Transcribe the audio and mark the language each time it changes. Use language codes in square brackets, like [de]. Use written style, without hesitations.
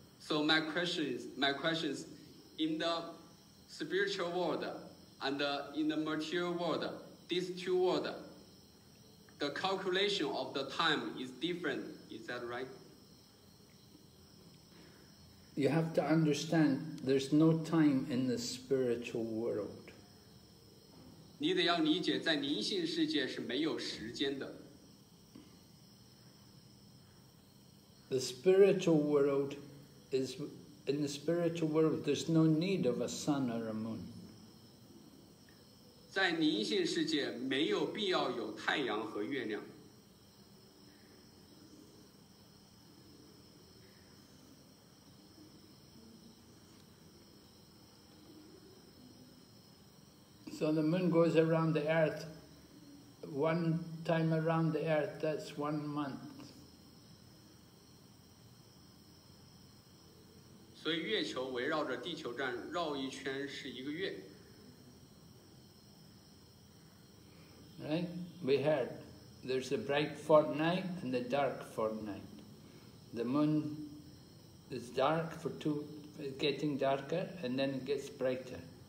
[en] So my question is, in the spiritual world and in the material world, these two worlds, the calculation of the time is different, is that right? You have to understand there's no time in the spiritual world. [zh] 你得要理解在灵性世界是没有时间的。 [en] The spiritual world is, in the spiritual world, there's no need of a sun or a moon. [zh] 在灵性世界没有必要有太阳和月亮。 [en] So the moon goes around the earth, one time around the earth, that's 1 month. [zh] 所以月球围绕着地球转绕一圈是一个月。 [en] Right? We heard there's a bright fortnight and a dark fortnight. The moon is dark for two, it's getting darker and then it gets brighter.